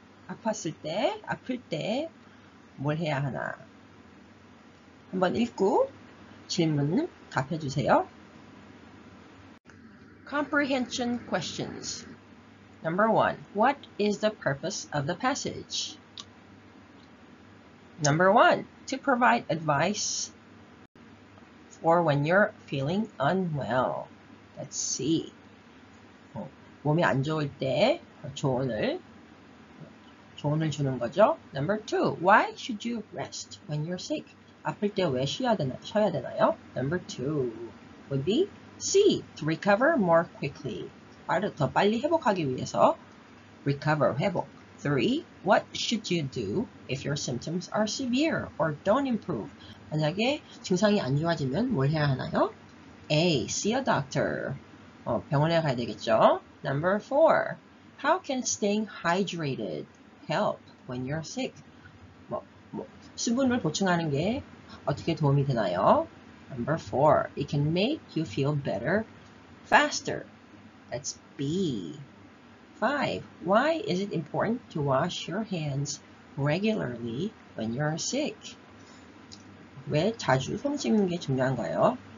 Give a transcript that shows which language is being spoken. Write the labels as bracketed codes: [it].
[ko] 아팠을 때, 아플 때, 뭘 해야 하나? 한번 읽고 질문 답해 주세요. [en] Comprehension questions. Number one, what is the purpose of the passage? Number one, to provide advice for when you're feeling unwell. Let's see. [ko] 몸이 안 좋을 때 조언을 주는 거죠. [en] Number two, why should you rest when you're sick? [ko] 아플 때 왜 쉬어야 되나요? [en] Number two would be C, to recover more quickly. [ko] 더 빨리 회복하기 위해서 recover, 회복. [en] Three, what should you do if your symptoms are severe or don't improve? [ko] 만약에 증상이 안 좋아지면 뭘 해야 하나요? [en] A, see a doctor. [ko] 병원에 가야 되겠죠? [en] Number four, how can staying hydrated help when you're sick? [ko] 수분을 보충하는 게 어떻게 도움이 되나요? [en] Number four, it can make you feel better faster. That's B. Five, why is it important to wash your hands regularly when you're sick? [ko] 왜 자주 손 씻는 게 중요한가요?